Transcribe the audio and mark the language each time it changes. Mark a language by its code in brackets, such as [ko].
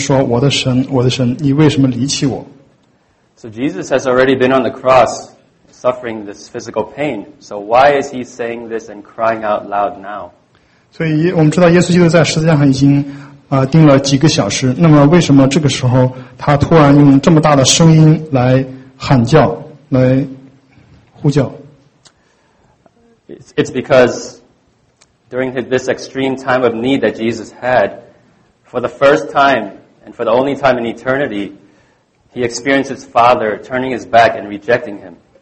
[zh] 马太福音27章46节,就是大约在下午3点钟的时候,耶稣大声喊叫说,以利以利,拉玛撒巴格大尼,意思就是说,我的神,我的神,你为什么离弃我? [en] So Jesus has already been on the cross, suffering this physical pain. So why is he saying this and crying out loud now? [zh] 所以我们知道耶稣基督在十字架上已经 钉了几个小时, 那么为什么这个时候他突然用这么大的声音来喊叫, 来呼叫? [en] It's because during this extreme time of need that Jesus had, for the first time and for the only time in eternity, he experienced his father turning his back and rejecting him.